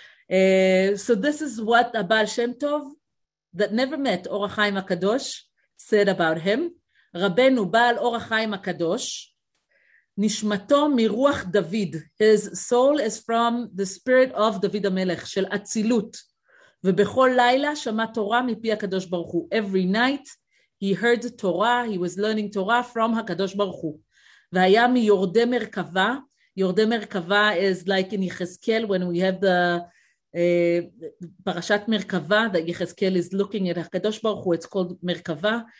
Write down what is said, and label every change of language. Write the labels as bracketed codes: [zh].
[en] So this is what a Baal Shem Tov, that never met Or HaChaim HaKadosh, said about him. Rabbeinu Baal Or HaChaim HaKadosh, [he] Nishmato Miruach David, [en] his soul is from the spirit of David HaMelech, [he] Shel Atzilut. ובכל לילה שמע תורה מפי הקדוש ברוך הוא. [en] Every night he heard Torah, he was learning Torah from הקדוש ברוך הוא. [he] והיה מיורדי מרכבה, [en] Yorde Merkava is like in Yechezkel when we have the Parashat Merkava that Yechezkel is looking at HaKadosh Baruch Hu, it's called Merkava.